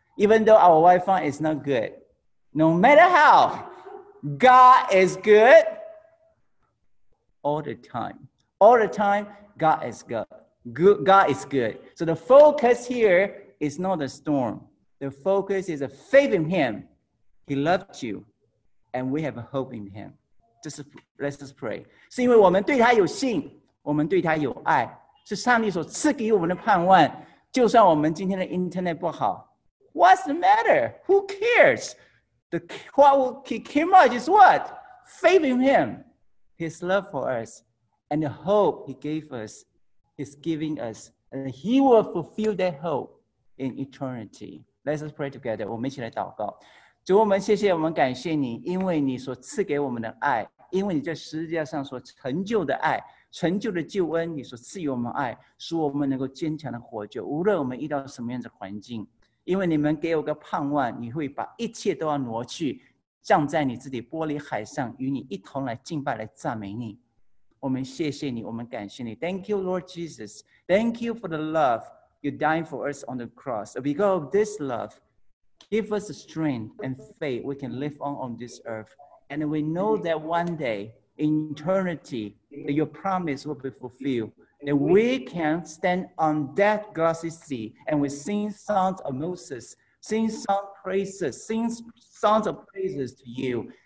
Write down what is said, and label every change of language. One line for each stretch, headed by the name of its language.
English: Even though our Wi-Fi is not good, no matter how,God is good all the time. All the time, God is good. God is good. So the focus here is not the storm. The focus is a faith in Him. He loved you, and we have a hope in Him. Just, let's just pray.
Chinese: 是因为我们对他有信，我们对他有爱，是上帝所赐给我们的盼望。就算我们今天的 internet 不好，
English: What's the matter? Who cares? The camera is what? Faith in Him, His love for us, and the hope He gave us, He's giving us, and He will fulfill that hope in eternity. Let's just pray together.
Chinese: 我们一起来祷告。主，我们谢谢，我们感谢你，因为你所赐给我们的爱，因为你在十字架上所成就的爱，成就的救恩，你所赐予我们爱，使我们能够坚强的活着，无论我们遇到什么样的环境。因为你们给我个盼望，你会把一切都要挪去，站在你自己玻璃海上，与你一同来敬拜，来赞美你。我们谢谢你，我们感谢你。
English: Thank you, Lord Jesus. Thank you for the love you died for us on the cross. Because of this love, give us strength and faith we can live on this earth. And we know that one day, in eternity, that your promise will be fulfilled. That we can stand on that glassy sea and we sing songs of Moses, sing song praises, sing songs of praises to you.